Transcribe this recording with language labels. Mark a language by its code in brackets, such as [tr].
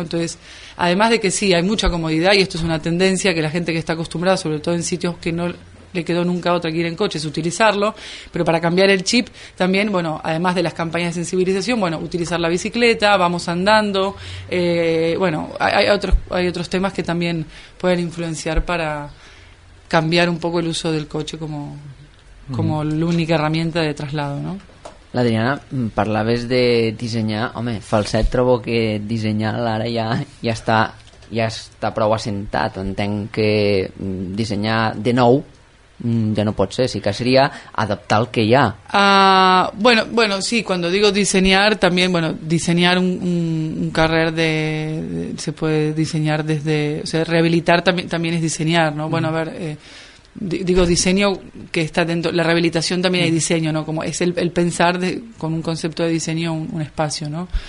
[es] Entonces, además de que sí, hay mucha comodidad, y esto es una tendencia que la gente que está acostumbrada, sobre todo en sitios que no le quedó nunca otra que ir en coche, es utilizarlo, pero para cambiar el chip también, bueno, además de las campañas de sensibilización, bueno, utilizar la bicicleta, vamos andando, bueno, hay otros temas que también pueden influenciar para cambiar un poco el uso del coche como la única herramienta de traslado, ¿no? [ca] L'Adriana, parlaves de dissenyar, home, Falset trobo que dissenyar ara ja està prou assentat, entenc que dissenyar de nou [es] ya no puede ser, sí que sería adaptar que ya. Bueno, sí, cuando digo diseñar, también, bueno, diseñar un carrer se puede diseñar desde, o sea, rehabilitar también es diseñar, ¿no? Bueno, a ver, digo diseño que está dentro, la rehabilitación también hay diseño, ¿no? Como es el pensar con un concepto de diseño un espacio, ¿no?